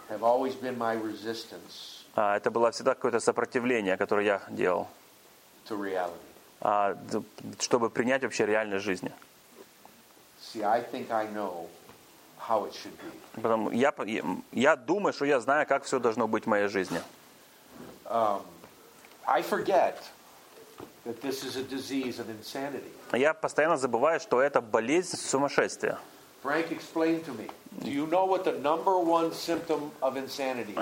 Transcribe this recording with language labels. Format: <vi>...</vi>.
<en>Have always been my resistance.</en> <ru>Это было всегда какое-то сопротивление, которое я делал.</ru> <en>To reality.</en> <ru>Чтобы принять вообще реальность жизни.</ru> <en>See, I think I know how it should be.</en> <ru>Потому я думаю, что я знаю, как все должно быть в моей жизни.</ru> <en>I forget that this is a disease of insanity.</en> <ru>Я постоянно забываю, что это болезнь сумасшествия.</ru> <en>Frank, explain to me. Do you know what the number one symptom of insanity?</en>